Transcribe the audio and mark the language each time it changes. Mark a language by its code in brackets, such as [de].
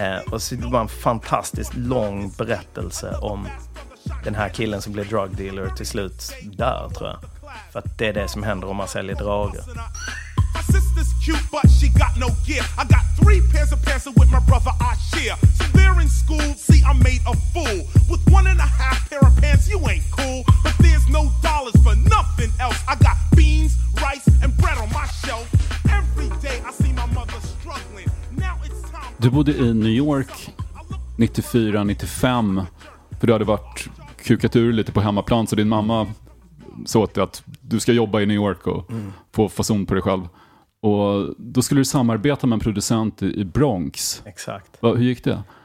[sv] Och så det var en fantastiskt lång berättelse om den här killen som blir drug dealer till slut där, tror jag. För att det är det som händer om man säljer droger. [en] My sister's cute, but she got no gear. I got 3 pairs of pants with my brother I share. So they're in school, see I'm made a fool. With 1.5 pair of pants, you ain't cool. But there's no dollars for nothing else. I got beans, rice and bread on my shelf. Every day I see my mother struggling. Now it's time. [sv] Du bodde i New York 94-95. För du hade varit kukat ur lite på hemmaplan, så din mamma så att du ska jobba i New York och få fason på dig själv. Och då skulle du samarbeta med en producent i Bronx. Exakt. Hur gick det?